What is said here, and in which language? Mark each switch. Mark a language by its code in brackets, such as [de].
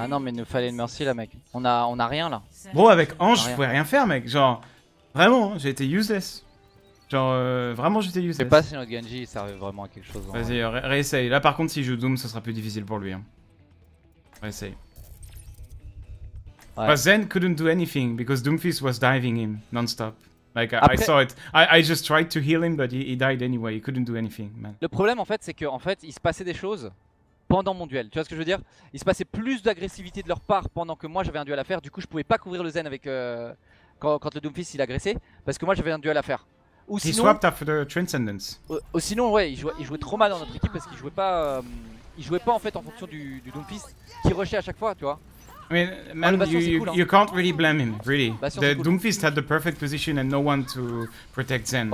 [fr] Ah non, mais il nous fallait une Mercy, là, mec. On a rien, là. Bro, avec Ange, je pouvais rien faire, mec. Genre, vraiment, j'ai été useless. Genre, vraiment, j'étais useless. Je sais pas si notre Genji il servait vraiment à quelque chose. Vas-y, réessaye. Là, par contre, si je joue Doom, ça sera plus difficile pour lui. Hein. Réessaye. Ouais. [en] But Zen couldn't do anything because Doomfist was diving him non-stop. Like, [fr] après... [en] I saw it. I just tried to heal him, but he died anyway. He couldn't do anything, man. [fr] Le problème, en fait, c'est qu'en fait, il se passait des choses pendant mon duel. Tu vois ce que je veux dire? Il se passait plus d'agressivité de leur part pendant que moi j'avais un duel à faire. Du coup, je pouvais pas couvrir le Zen avec. Quand le Doomfist il agressait parce que moi j'avais un duel à faire. Ou sinon, [en] he swapped after the transcendence. [fr] Ou sinon, ouais, il jouait trop mal dans notre équipe parce qu'il jouait pas, en fait en fonction du Doomfist qui rushait à chaque fois, tu vois. [en] I mean, man, oh, you can't really blame him, really. Bastion, the cool. Doomfist had the perfect position and no one to protect Zen.